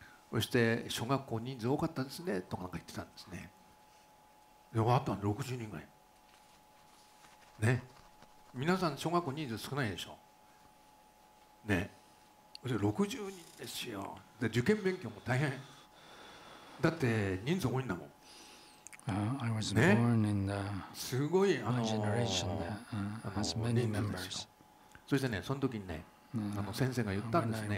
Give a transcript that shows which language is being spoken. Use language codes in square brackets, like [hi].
[ja] そして小学校人数多かったですねとかなんか言ってたんですね。で、あったの60人ぐらいね。皆さん小学校人数少ないでしょね。で、60人ですよ。で、受験勉強も大変だって、人数多いんだもん。 [en] I was born in the generation that has many members. [ja] そしてね、その時にね、先生が言ったんですね。